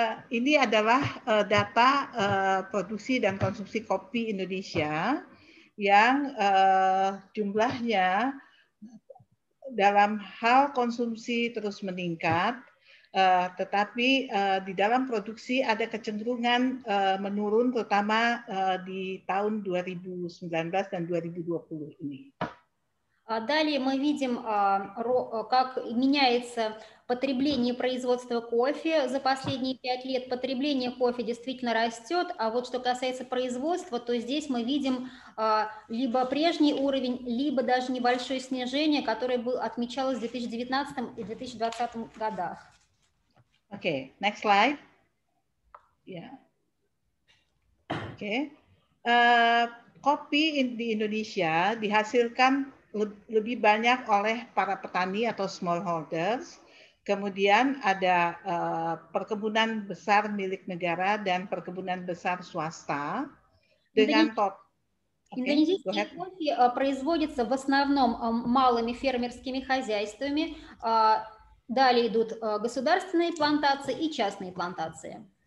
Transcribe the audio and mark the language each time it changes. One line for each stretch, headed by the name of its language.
Indonesian: Ini adalah data produksi dan konsumsi kopi Indonesia yang jumlahnya dalam hal konsumsi terus meningkat, tetapi di dalam produksi ada kecenderungan menurun, terutama di tahun 2019 dan 2020 ini.
Russian: Далее мы видим, как меняется потребление и производство кофе за последние 5 лет. Потребление кофе действительно растет, а вот что касается производства, то здесь мы видим либо прежний уровень, либо даже небольшое снижение, которое отмечалось в 2019 и 2020 годах.
English: Okay, next slide. Yeah. Okay.
Indonesian: Kopi di Indonesia dihasilkan lebih banyak oleh para petani atau smallholders, kemudian ada perkebunan besar milik negara dan perkebunan besar swasta dengan top.
Russian: Индонезийский кофе производится в основном малыми фермерскими хозяйствами. Далее идут государственные плантации и частные плантации.